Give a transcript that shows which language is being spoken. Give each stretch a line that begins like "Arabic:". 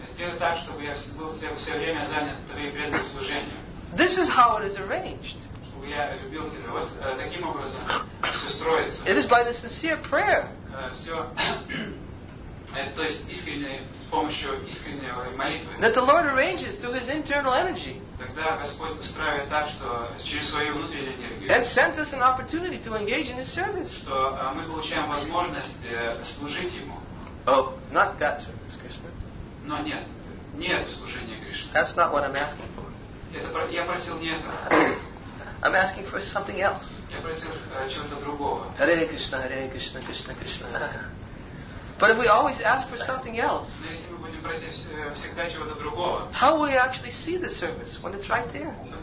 Russian: Сделай так, чтобы я был все время занят твоим преданным служением.
English: This is how it is arranged.
Russian: Чтобы я любил тебя. Вот таким образом все строится.
English: It is by the sincere prayer.
Russian: Все. То есть искренней, с помощью искренней молитвы.
English: That the Lord arranges through His internal energy.
Russian: Тогда Господь устраивает так, что через свою внутреннюю энергию.
English: And sends us an opportunity to engage in His service.
Russian: Что мы получаем возможность служить Ему.
English: Oh, not that service, Krishna.
Russian: Но нет, не это служение Кришне.
English: That's not what I'm asking for.
Russian: Это я просил не это.
English: I'm asking for something else.
Russian: Я просил чего-то другого.
Sanskrit: Hare Krishna, Hare Krishna, Krishna Krishna.
English: But if we always ask for something else, how will we actually see the service when it's right there?